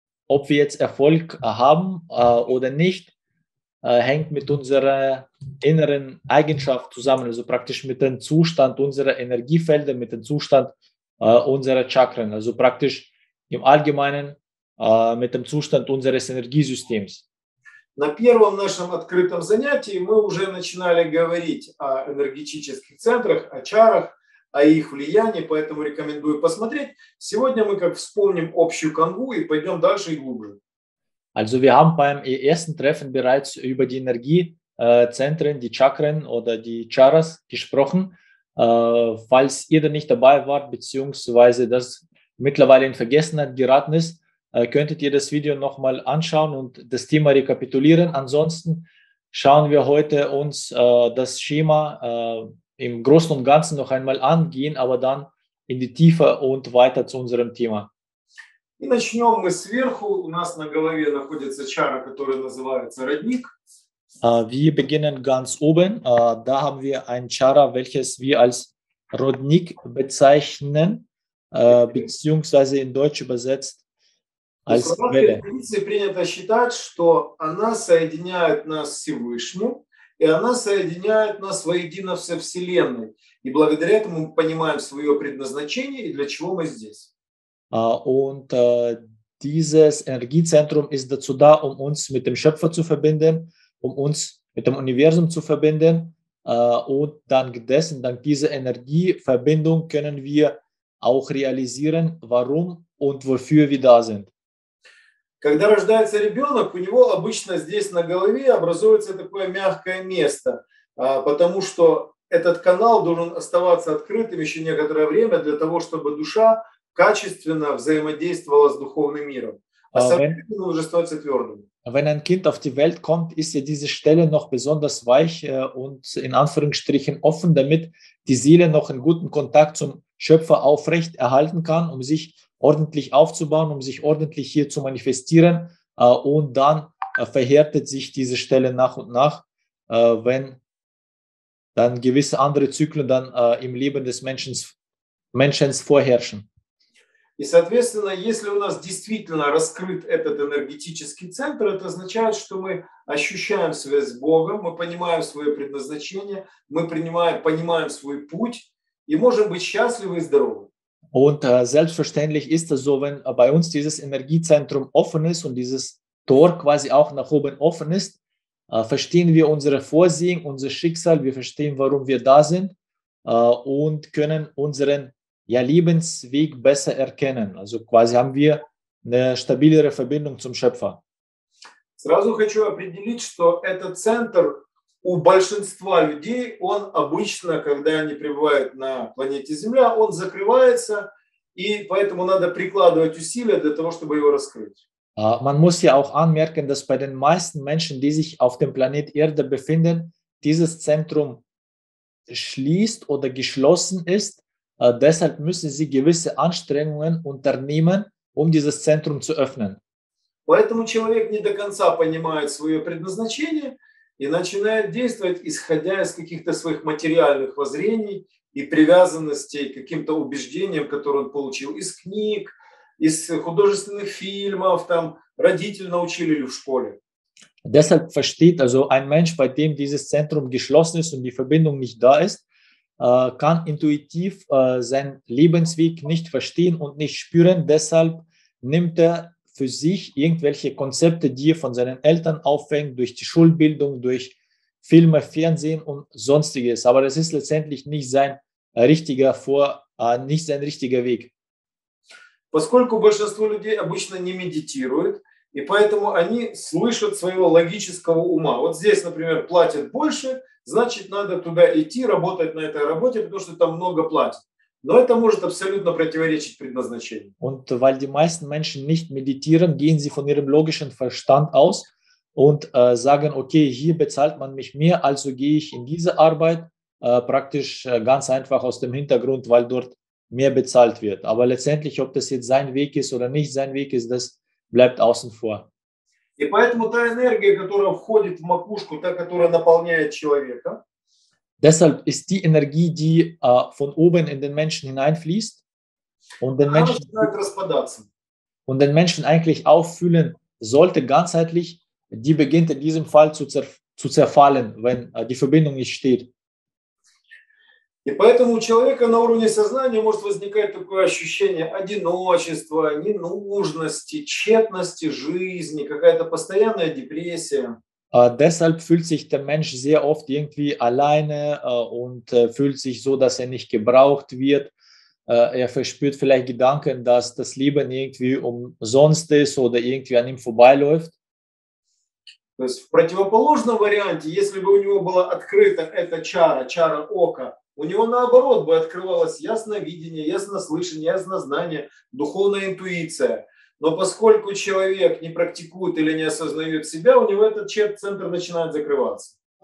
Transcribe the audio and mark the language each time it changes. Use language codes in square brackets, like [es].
[de] ob wir jetzt Erfolg haben oder nicht, hängt mit unserer inneren Eigenschaft zusammen, also praktisch mit dem Zustand unserer Energiefelder, mit dem Zustand unserer Chakren, also praktisch im Allgemeinen mit dem Zustand unseres Energiesystems. [ru] На первом нашем открытом занятии мы уже начинали говорить о энергетических центрах, о чарах, о их влиянии, поэтому рекомендую посмотреть. Сегодня мы как вспомним общую канву и пойдем дальше и глубже. [de] Also wir haben beim ersten Treffen bereits über die Energiezentren, die Chakren oder die Charas gesprochen. Falls ihr da nicht dabei wart, beziehungsweise das mittlerweile in Vergessenheit geraten ist, könntet ihr das Video nochmal anschauen und das Thema rekapitulieren. Ansonsten schauen wir heute uns das Schema im Großen und Ganzen noch einmal an, gehen aber dann in die Tiefe und weiter zu unserem Thema. [ru] И начнем мы сверху. У нас на голове находится чара, которая называется родник. [de] Wir beginnen ganz oben. Da haben wir ein Chara, welches wir als Rudnik bezeichnen, beziehungsweise in Deutsch übersetzt [ru] В [de] als Welle. [ru] традиции принято считать, что она соединяет нас с Всевышним, и она соединяет нас воедино со Вселенной. И благодаря этому мы понимаем свое предназначение и для чего мы здесь. [de] Und dieses Energiezentrum ist dazu da, um uns mit dem Schöpfer zu verbinden, um uns mit dem Universum zu verbinden. Und dank dieser Energieverbindung können wir auch realisieren, warum und wofür wir da sind. [ru] Когда рождается ребенок, у него обычно здесь на голове образуется такое мягкое место, потому что этот канал должен оставаться открытым еще некоторое время для того, чтобы душа качественно взаимодействовала с духовным миром, а со временем он уже становится твердым. [de] Wenn ein Kind auf die Welt kommt, ist ja diese Stelle noch besonders weich und in Anführungsstrichen offen, damit die Seele noch einen guten Kontakt zum Schöpfer aufrechterhalten kann, um sich ordentlich aufzubauen, um sich ordentlich hier zu manifestieren. Und dann verhärtet sich diese Stelle nach und nach, wenn dann gewisse andere Zyklen dann im Leben des Menschen vorherrschen. [ru] И, соответственно, если у нас действительно раскрыт этот энергетический центр, это означает, что мы ощущаем связь с Богом, мы понимаем свое предназначение, мы понимаем свой путь и можем быть счастливы и здоровы. [de] Und selbstverständlich ist es so, wenn bei uns dieses Energiezentrum offen ist und dieses Tor quasi auch nach oben offen ist, verstehen wir unsere Vorsehung, unser Schicksal, wir verstehen, warum wir da sind, und können unseren ja, Lebensweg besser erkennen. Also quasi haben wir eine stabilere Verbindung zum Schöpfer. [ru] Сразу хочу определить, что этот центр у большинства людей, он обычно, когда они пребывают на планете Земля, он закрывается, и поэтому надо прикладывать усилия для того, чтобы его раскрыть. [de] Man muss ja auch anmerken, dass bei den meisten Menschen, die sich auf dem Planet Erde befinden, dieses Zentrum schließt oder geschlossen ist. Deshalb müssen Sie gewisse Anstrengungen unternehmen, um dieses Zentrum zu öffnen. [ru] Поэтому человек не до конца понимает свое предназначение и начинает действовать, исходя из каких-то своих материальных воззрений и привязанностей к каким-то убеждениям, которые он получил из книг, из художественных фильмов, там родители научили или в школе. [de] Deshalb versteht also ein Mensch, bei dem dieses Zentrum geschlossen ist und die Verbindung nicht da ist, kann intuitiv seinen Lebensweg nicht verstehen und nicht spüren. Deshalb nimmt er für sich irgendwelche Konzepte, die er von seinen Eltern auffängt, durch die Schulbildung, durch Filme, Fernsehen und sonstiges. Aber das ist letztendlich nicht sein richtiger nicht sein richtiger Weg. [ru] Поскольку большинство людей обычно не медитируют, и поэтому они слышат своего логического ума. Вот здесь, например, платят больше, значит, надо туда идти, работать на этой работе, потому что там много платят. Но это может абсолютно противоречить предназначению. [de] Und weil die meisten Menschen nicht meditieren, gehen sie von ihrem logischen Verstand aus und sagen, okay, hier bezahlt man mich mehr, also gehe ich in diese Arbeit, praktisch ganz einfach aus dem Hintergrund, weil dort mehr bezahlt wird. Aber letztendlich, ob das jetzt sein Weg ist oder nicht sein Weg ist, das bleibt außen vor. [ru] И поэтому та энергия, которая входит в макушку, та, которая наполняет человека, [de] Deshalb ist die Energie, die von oben in den Menschen hineinfließt [ru] она начинает распадаться. [de] und den Menschen eigentlich auffüllen sollte ganzheitlich, die beginnt in diesem Fall zu zerfallen, wenn die Verbindung nicht steht. [ru] И поэтому у человека на уровне сознания может возникать такое ощущение одиночества, ненужности, тщетности жизни, какая-то постоянная депрессия. [de] Deshalb fühlt sich der Mensch sehr oft irgendwie alleine und fühlt sich so, dass er nicht gebraucht wird. Er verspürt vielleicht Gedanken, dass das Leben irgendwie umsonst ist oder irgendwie an ihm vorbeiläuft. [ru] То есть в противоположном варианте, если бы у него была открыта эта чара, чара ока, у него наоборот бы открывалось ясновидение, яснослышание, яснознание, духовная интуиция. Но поскольку человек не практикует или не осознает себя, у него этот центр начинает закрываться.